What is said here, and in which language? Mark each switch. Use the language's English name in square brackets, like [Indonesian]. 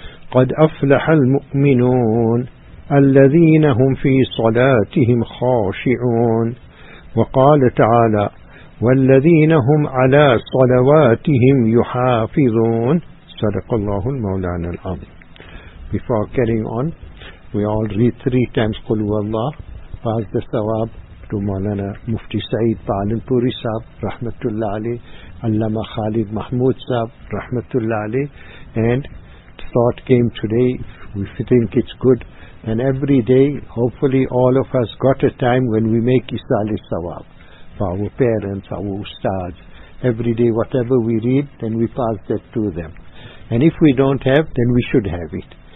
[Arabic] قد أفلح المؤمنون الذين هم في صلاتهم خاشعون. وقال تعالى: والذين هم على صلواتهم يحافظون. صدق الله المولانا العظيم. [English] Before carrying on, we all read three times قل هو الله. Pass the ثواب to مولانا مفتي سعيد بعلن پوری صاحب رحمة الله عليه، علامة خالد محمود صاحب رحمة الله عليه. And thought came today, if you think it's good, and every day hopefully all of us got a time when we make isali sawab for our parents, our ustads. Every day whatever we read, then we pass that to them, and if we don't have, then we should have it.